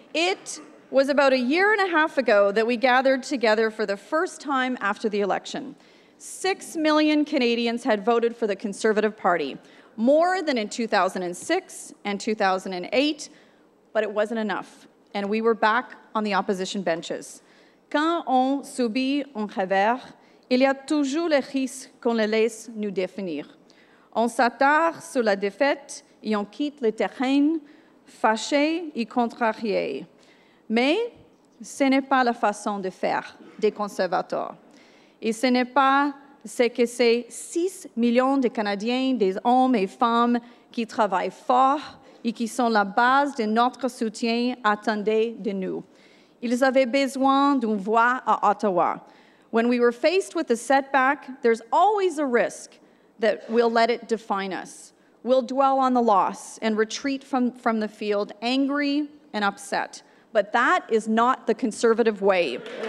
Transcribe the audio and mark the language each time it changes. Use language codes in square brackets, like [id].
[en] It was about a year and a half ago that we gathered together for the first time after the election. 6 million Canadians had voted for the Conservative Party, more than in 2006 and 2008, but it wasn't enough, and we were back on the opposition benches. [fr] Quand on subit un revers, il y a toujours le risque qu'on les laisse nous définir. On s'attarde sur la défaite et on quitte le terrain fâché et contrarié. Mais ce n'est pas la façon de faire des conservateurs. Et ce n'est pas ce que ces 6 millions de Canadiens, des hommes et femmes qui travaillent fort et qui sont la base de notre soutien attendaient de nous. Ils avaient besoin d'une voix à Ottawa. [en] When we were faced with a setback, there's always a risk that we'll let it define us. We'll dwell on the loss and retreat from the field, angry and upset. But that is not the Conservative way.